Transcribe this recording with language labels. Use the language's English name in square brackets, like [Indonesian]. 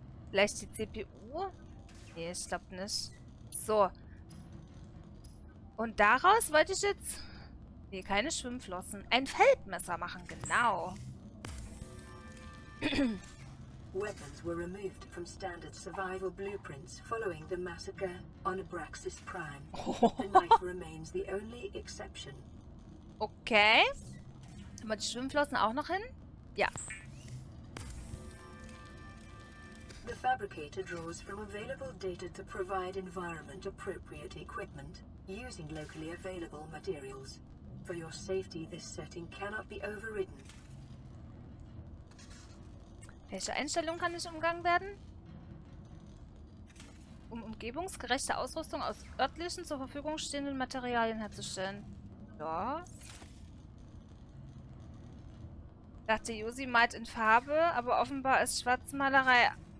[German] Vielleicht die CPU? Nee, ich glaube nicht. So. Und daraus wollte ich jetzt... Nee, keine Schwimmflossen. Ein Feldmesser machen, genau. [English] Weapons were removed from standard survival blueprints following the massacre on Abraxas Prime. The knife remains the only exception. Okay. [German] Haben wir die Schwimmflossen auch noch hin? Ja. [English] The fabricator draws from available data to provide environment appropriate equipment using locally available materials. For your safety, this setting cannot be overridden. [German] Welche Einstellung kann nicht umgangen werden? Um umgebungsgerechte Ausrüstung aus örtlichen zur Verfügung stehenden Materialien herzustellen. Ja. Dachte, Josi malt in Farbe, aber offenbar ist Schwarzmalerei...